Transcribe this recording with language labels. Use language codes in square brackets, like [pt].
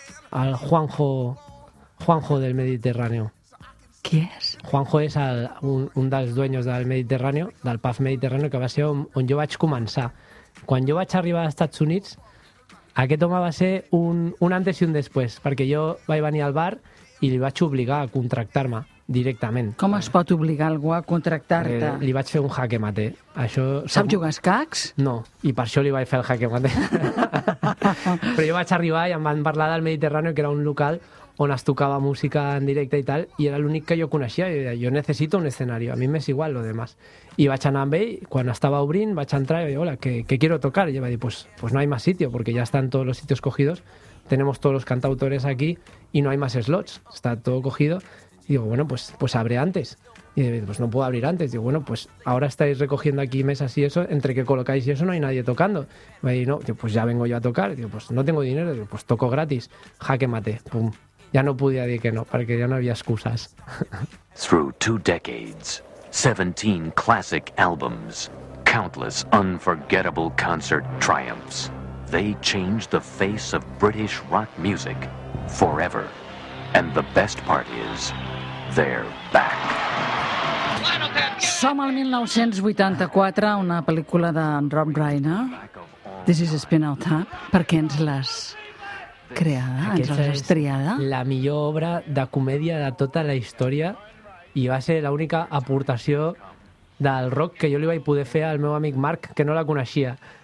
[es] El Juanjo del Mediterráneo. [ca] Qui és? Juanjo és un dels dueños del Mediterráneo, del PAF Mediterráneo, que va ser on jo vaig començar. Quan jo vaig arribar als Estats Units, aquest home va ser un antes i un després, perquè jo vaig venir al bar i li vaig obligar a contractar-me directament. Com es pot obligar algú a contractar-te? Li vaig fer un jaque mate. Això... Sap jugar escacs? No, i per això li vaig fer el jaque mate. Però jo vaig arribar i em van parlar del Mediterrani, que era un local on es tocava música en directe i tal, i era l'únic que jo coneixia. I deia, jo necessito un escenari, a mi m'és igual lo demás. I vaig anar amb ell, quan estava obrint, vaig entrar i vaig dir, hola, [es] ¿qué quiero tocar? [ca] I ell va dir, [es] pues no hay más sitio, porque ya están todos los sitios cogidos, tenemos todos los cantautores aquí y no hay más slots, está todo cogido. Y digo, bueno, pues abre antes. Y dice, pues no puedo abrir antes. Digo, bueno, pues ahora estáis recogiendo aquí mesas y eso, entre que colocáis y eso no hay nadie tocando. Y me dice, no, digo, pues ya vengo yo a tocar. Digo, pues no tengo dinero. Digo, pues toco gratis. Jaque mate. Pum. Ya no podía decir que no, porque ya no había excusas. [en] Through two decades, 17 classic albums, countless unforgettable concert triumphs, they changed the face of British rock music forever. And the best part is, they're back. [ca] Som al 1984, una pel·lícula de Rob Reiner. This is Spinal Tap. Per què ens l'has creada, ens l'has triada? La millor obra de comèdia de tota la història i va ser l'única aportació del rock que jo li vaig poder fer al meu amic Marc, que no la coneixia.